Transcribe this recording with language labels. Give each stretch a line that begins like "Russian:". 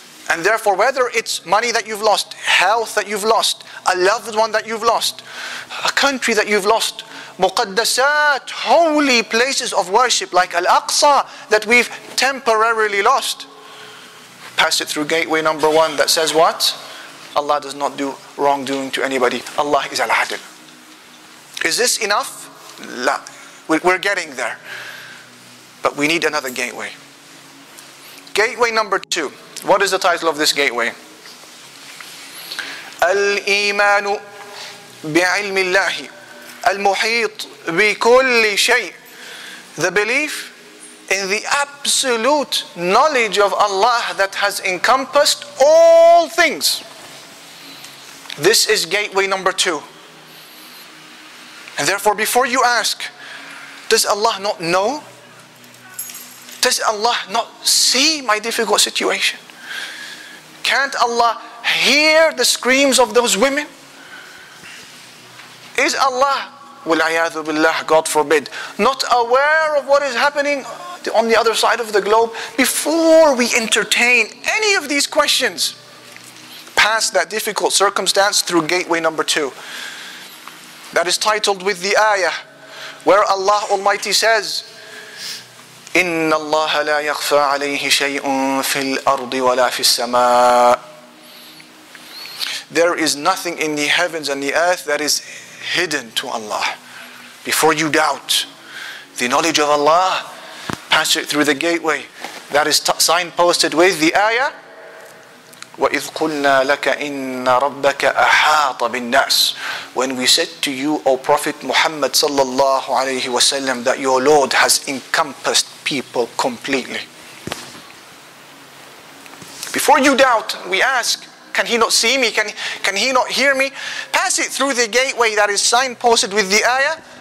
English: And therefore, whether it's money that you've lost, health that you've lost, a loved one that you've lost, a country that you've lost, muqaddasat, holy places of worship like Al-Aqsa that we've temporarily lost, pass it through gateway number one that says what? Allah does not do wrongdoing to anybody. Allah is Al-Adil. Is this enough? La. We're getting there. But we need another gateway. Gateway number two. What is the title of this gateway?
Arabic: الإيمان بعلم الله المحيط بكل شيء.
English: The belief in the absolute knowledge of Allah that has encompassed all things. This is gateway number two. And therefore, before you ask, does Allah not know? Does Allah not see my difficult situation? Can't Allah hear the screams of those women? Is Allah, wal'ayadhu billah, God forbid, not aware of what is happening on the other side of the globe? Before we entertain any of these questions, pass that difficult circumstance through gateway number two. That is titled with the ayah, where Allah Almighty says,
Arabic: إِنَّ اللَّهَ لَا يَخْفَى عَلَيْهِ شَيْءٌ فِي الْأَرْضِ وَلَا فِي السَّمَاءِ.
English: There is nothing in the heavens and the earth that is hidden to Allah. Before you doubt the knowledge of Allah, pass it through the gateway. That is signposted with the ayah,
Arabic: وَإِذْ قُلْنَا لَكَ إِنَّ رَبَّكَ أَحَاطَ بِالنَّاسِ.
English: When we said to you, O Prophet Muhammad sallallahu alayhi wasallam, that your Lord has encompassed people completely. Before you doubt, we ask, can he not see me? Can he not hear me? Pass it through the gateway that is signposted with the ayah.